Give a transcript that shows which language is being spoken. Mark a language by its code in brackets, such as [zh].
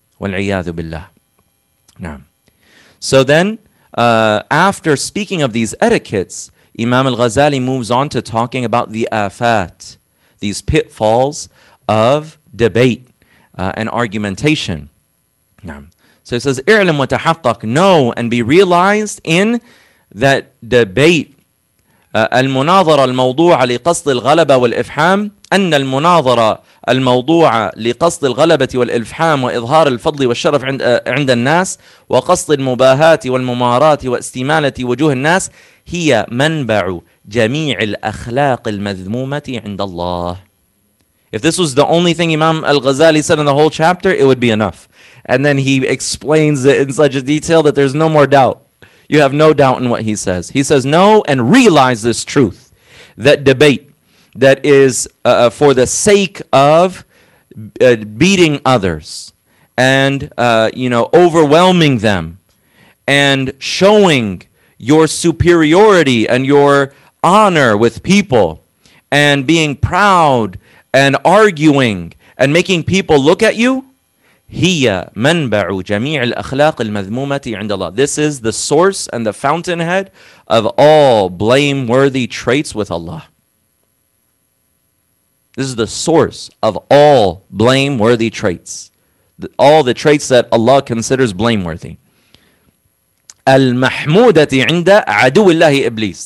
[ar] وَالْعِيَاذُ بِاللَّهِ نعم. [en] So then, after speaking of these etiquettes, Imam al-Ghazali moves on to talking about the afat, these pitfalls of debate and argumentation. [ar] نعم. [en] So it says, [ar] اِعْلَمْ وَتَحَقَّقْ [en] Know and be realized in that debate, [ar] المناظرة الموضوعة لقصد الغلبة والإفحام أن المناظرة الموضوعة لقصد الغلبة والإفحام وإظهار الفضل والشرف عند الناس وقصد المباهات والممارات واستمالة وجوه الناس هي منبع جميع الأخلاق المذمومة عند الله. [en] If this was the only thing Imam al-Ghazali said in the whole chapter, it would be enough. And then he explains it in such a detail that there's no more doubt. You have no doubt in what he says. He says, know and realize this truth, that debate that is for the sake of beating others and overwhelming them and showing your superiority and your honor with people and being proud and arguing and making people look at you, [ar] هي منبع جميع الأخلاق المذمومة عند الله. [en] This is the source and the fountainhead of all blameworthy traits with Allah. This is the source of all blameworthy traits. All the traits that Allah considers blameworthy. [ar] المحمودة عند عدو الله إبليس.